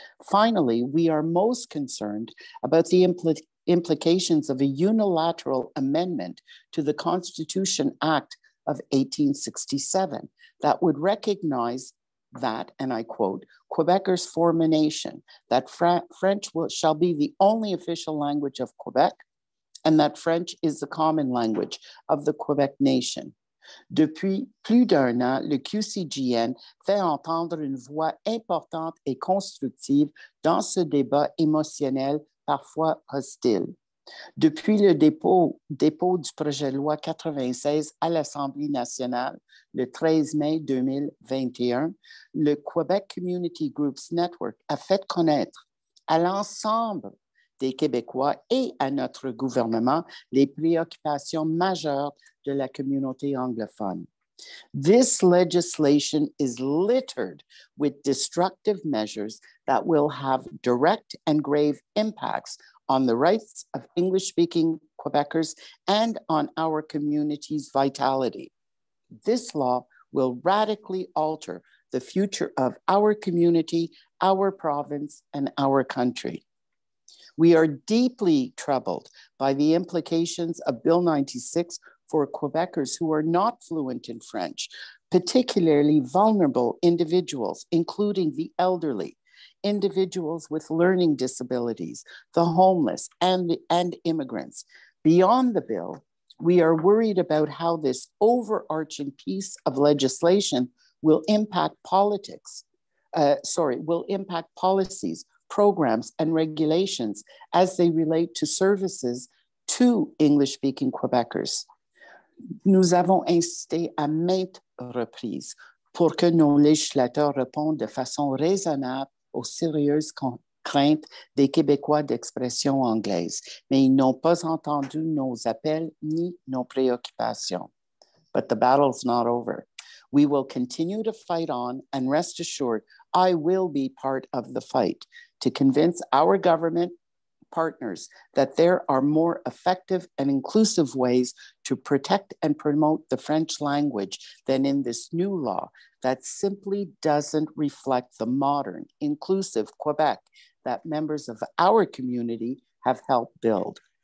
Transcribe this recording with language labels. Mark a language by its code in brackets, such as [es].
[en] Finally, we are most concerned about the implications of a unilateral amendment to the Constitution Act of 1867 that would recognize that, and I quote, Quebecers form a nation, that French shall be the only official language of Quebec, and that French is the common language of the Quebec nation. [fr] Depuis plus d'un an, le QCGN fait entendre une voix importante et constructive dans ce débat émotionnel, parfois hostile. Depuis le dépôt du projet de loi 96 à l'Assemblée nationale le 13 mai 2021, le Quebec Community Groups Network a fait connaître à l'ensemble des Québécois et à notre gouvernement les préoccupations majeures de la communauté anglophone. [en] This legislation is littered with destructive measures that will have direct and grave impacts on the rights of English-speaking Quebecers and on our community's vitality. This law will radically alter the future of our community, our province, and our country. We are deeply troubled by the implications of Bill 96 for Quebecers who are not fluent in French, particularly vulnerable individuals, including the elderly, individuals with learning disabilities, the homeless, and immigrants. Beyond the bill, we are worried about how this overarching piece of legislation will impact politics, will impact policies, programs, and regulations as they relate to services to English-speaking Quebecers. [fr] Nous avons insisté à maintes reprises pour que nos législateurs répondent de façon raisonnable aux sérieuses craintes des Québécois d'expression anglaise, mais ils n'ont pas entendu nos appels ni nos préoccupations. [en] But the battle's not over. We will continue to fight on, and rest assured, I will be part of the fight to convince our government partners that there are more effective and inclusive ways to protect and promote the French language than in this new law that simply doesn't reflect the modern, inclusive Quebec that members of our community have helped build.